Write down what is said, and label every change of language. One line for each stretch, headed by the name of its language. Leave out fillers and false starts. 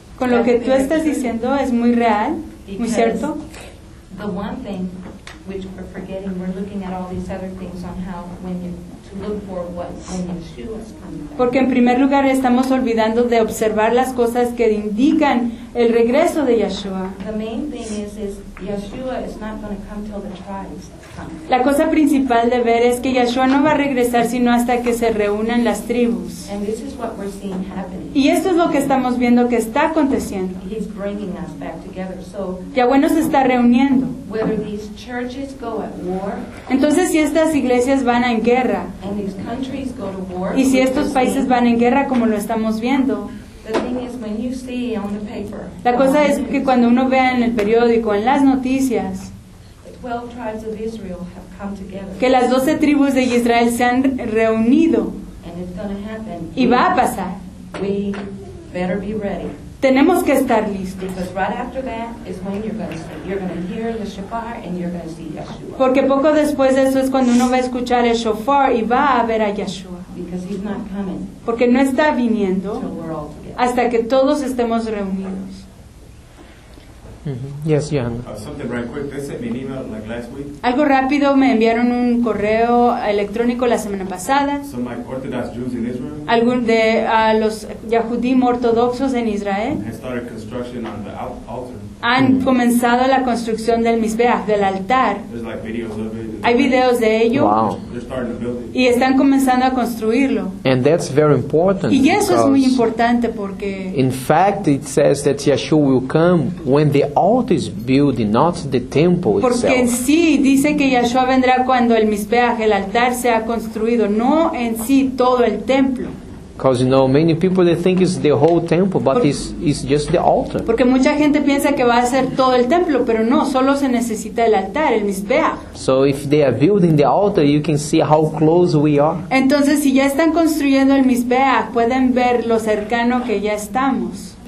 Spanish: con lo que tú estás diciendo es muy real, muy cierto.
English: The one thing which we're forgetting, we're looking at all these other things on how when you to look for what when Yeshua is coming.
Spanish: Porque en primer lugar estamos olvidando de observar las cosas que indican el regreso de Yeshua.
English: The main thing is Yeshua is not going to come till the tribes.
Spanish: La cosa principal de ver es que Yahshua no va a regresar sino hasta que se reúnan las tribus.
English: And this is what we're seeing happening.
Spanish: Y esto es lo que estamos viendo que está aconteciendo.
English: He's bringing us back together. So,
Spanish: Yahweh nos está reuniendo.
English: Whether these churches go at war,
Spanish: entonces si estas iglesias van en guerra
English: and these countries go to war,
Spanish: y si estos países van en guerra como lo estamos viendo,
English: the thing is, when you see on the paper,
Spanish: la cosa es que cuando uno vea en el periódico, en las noticias,
English: 12 tribes of Israel have come together.
Spanish: Que las 12 tribus de Israel se han reunido.
English: And it's gonna happen.
Spanish: Y va a pasar.
English: We better be ready.
Spanish: Tenemos que estar listos.
English: Because right after that is when you're gonna hear the shofar and you're gonna see Yeshua.
Spanish: Porque poco después de eso es cuando uno va a escuchar el shofar y va a ver a Yeshua.
English: Because he's not coming.
Spanish: Porque no está viniendo
English: until we're all together.
Spanish: Hasta que todos estemos reunidos.
English: Mm-hmm. Yes, Johanna. Something right quick. They sent me an email like last week.
Spanish: Algo rápido, me enviaron un correo electrónico la semana pasada.
English: Some like Orthodox Jews in Israel.
Spanish: Algún de los Yahudim ortodoxos en Israel.
English: Have started construction on the altar.
Spanish: Han comenzado la construcción del Mizbeah, del altar.
English: There's like videos of it.
Spanish: Hay videos de ello.
English: Wow. They're starting to build it.
Spanish: Y están comenzando a construirlo.
English: And that's very important.
Spanish: Y eso es muy importante porque
English: in fact it says that Yeshua will come when the altar is built, not the temple itself.
Spanish: Porque sí dice que Yeshua vendrá cuando el Mizbeah, el altar sea construido, no en sí todo el templo.
English: Because you know, many people they think it's the whole temple, but it's just the altar.
Spanish: Porque mucha gente piensa que va a ser todo el templo, pero no, solo se necesita el altar, el Mizbeah.
English: So if they are building the altar, you can see how close we are.
Spanish: Entonces, si ya están construyendo el Mizbeah, pueden ver lo cercano que ya estamos.